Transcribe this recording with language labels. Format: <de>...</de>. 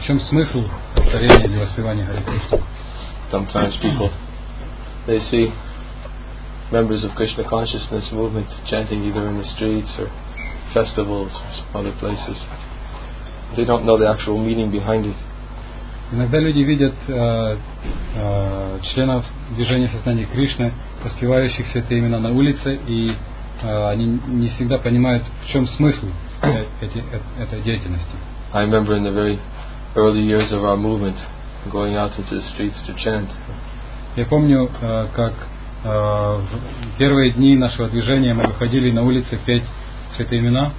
<ru>В чем смысл повторения или воспевания Hare Krishna?</ru> <en>Sometimes people, they see members of Krishna consciousness movement chanting either in the streets or festivals or some other places. They don't know the actual meaning behind it.</en> <ru>Иногда люди видят членов движения сознания Кришны, воспевающих все это именно на улице, и они не всегда понимают, в чем смысл этой деятельности.</ru> <en>I remember in the very early years of our movement, going out into the streets to chant.</en> <ru>Я помню, как в первые дни нашего движения мы выходили на улицы петь святые имена</ru>